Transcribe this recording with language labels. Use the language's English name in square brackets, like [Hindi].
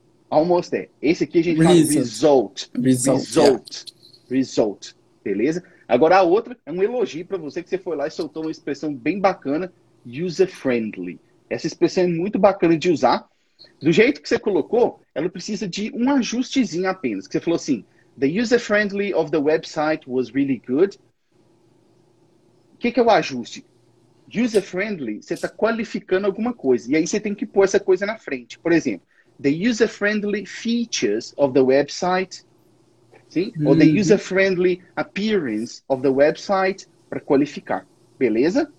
[English] Almost there. [Portuguese] Esse aqui a gente result. Fala result. [English] Result. Yeah. [Portuguese] Result. Beleza? Agora a outra é um elogio para você que você foi lá e soltou uma expressão bem bacana, user-friendly. Essa expressão é muito bacana de usar. Do jeito que você colocou, ela precisa de um ajustezinho apenas. Que você falou assim, [English] the user-friendly of the website was really good. [Portuguese] O que, que é o ajuste? User-friendly, você está qualificando alguma coisa. E aí você tem que pôr essa coisa na frente. Por exemplo, [English] the user-friendly features of the website... [Portuguese] Sim? Uhum. Ou [English] the user-friendly appearance of the website [Portuguese] para qualificar. Beleza?